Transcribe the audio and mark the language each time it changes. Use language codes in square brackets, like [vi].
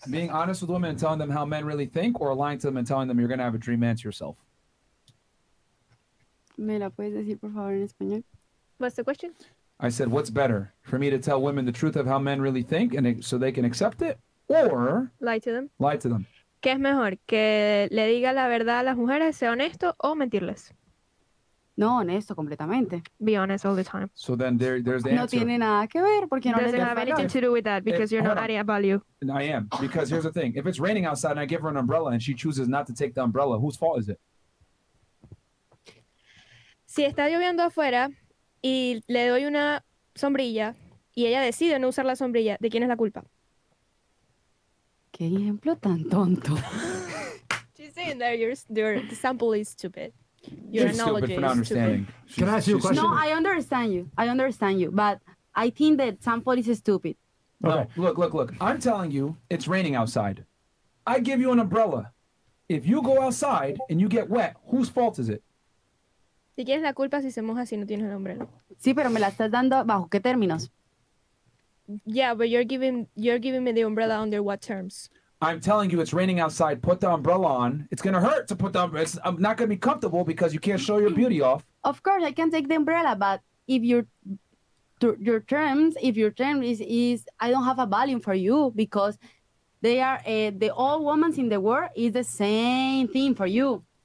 [en] Being honest with women and telling them how men really think or lying to them and telling them you're going to have a dream man to yourself? [es] ¿Me la puedes decir, por favor, en español? [en] What's the question? I said, what's better? For me to tell women the truth of how men really think and so they can accept it? Or... Lie to them. Lie to them. [es] ¿Qué es mejor? ¿Que le diga la verdad a las mujeres, sea honesto, o mentirles? No, honesto, completamente. [en] Be honest all the time. So then there's the answer. [es] No tiene nada que ver porque no [en] les doesn't have anything to do with that because you're not adding a value. I am. Because here's the thing. If it's raining outside and I give her an umbrella and she chooses not to take the umbrella, whose fault is it? [es] Si está lloviendo afuera y le doy una sombrilla y ella decide no usar la sombrilla, ¿de quién es la culpa? ¡Qué ejemplo tan tonto! [en] She's saying that your example is stupid. Your she's analogy stupid for not understanding. Can I ask you a question? No, I understand you. I understand you. But I think that example is stupid. Okay. No, look. I'm telling you, it's raining outside. I give you an umbrella. If you go outside and you get wet, whose fault is it? [es] Si quieres la culpa si se moja si no tienes el umbrella. Sí, pero me la estás dando bajo qué términos. [en] Yeah, but you're giving me the umbrella under what terms? I'm telling you it's raining outside. Put the umbrella on. It's going to hurt to put the umbrella. I'm not going to be comfortable because you can't show your beauty off. Of course, I can take the umbrella, but if your term is I don't have a value for you because they are the all women in the world is the same thing for you.